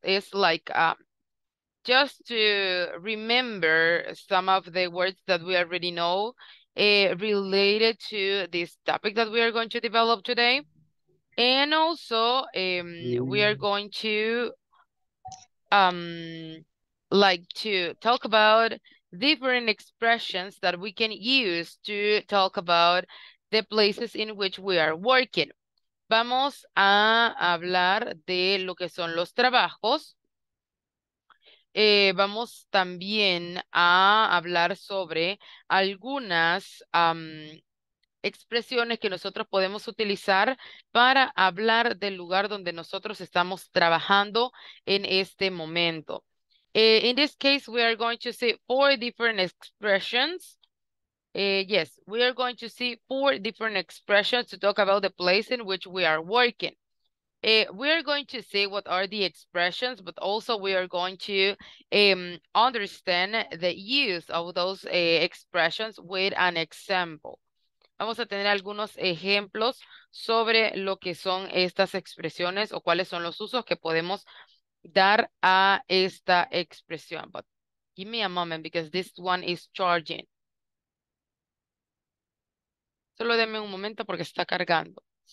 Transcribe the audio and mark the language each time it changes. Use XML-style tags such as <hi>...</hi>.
<en>It's like just to remember some of the words that we already know related to this topic that we are going to develop today. And also, we are going to like to talk about different expressions that we can use to talk about the places in which we are working.</en> <es>Vamos a hablar de lo que son los trabajos. Vamos también a hablar sobre algunas expresiones que nosotros podemos utilizar para hablar del lugar donde nosotros estamos trabajando en este momento.</es> <en>In this case, we are going to see four different expressions. Yes, we are going to see four different expressions to talk about the place in which we are working. We are going to see what are the expressions, but also we are going to understand the use of those expressions with an example.</en> <es>Vamos a tener algunos ejemplos sobre lo que son estas expresiones o cuáles son los usos que podemos dar a esta expresión.</es> <en>But give me a moment because this one is charging.</en> <es>Solo denme un momento porque está cargando.</es>